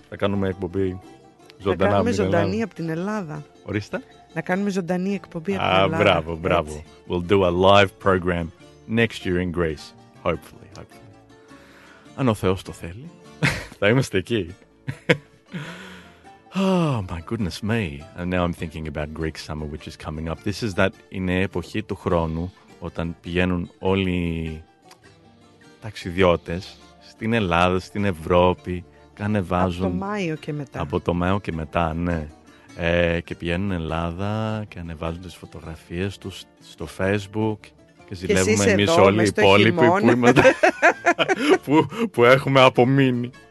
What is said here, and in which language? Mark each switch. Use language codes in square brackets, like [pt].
[el] Θα κάνουμε εκπομπή ζωντανά. Θα κάνουμε ζωντανή από την Ελλάδα. Ορίστε. Να κάνουμε ζωντανή εκπομπή από την Ελλάδα. Μπράβο, μπράβο. Έτσι. [en] We'll do a live program next year in Greece. Hopefully, hopefully. [el] Αν ο Θεός το θέλει, θα είμαστε εκεί. [en] Oh, my goodness me. And now I'm thinking about Greek summer, which is coming up. This is that [el] η νέα εποχή του χρόνου, όταν πηγαίνουν όλοι οι ταξιδιώτες στην Ελλάδα, στην Ευρώπη, κανεβάζουν... Από το Μάιο και μετά. Από το Μάιο και μετά, ναι. Και πηγαίνουν Ελλάδα και ανεβάζουν τις φωτογραφίες τους στο Facebook και ζηλεύουμε εμείς όλοι οι υπόλοιποι που, είμαστε, που έχουμε απομείνει.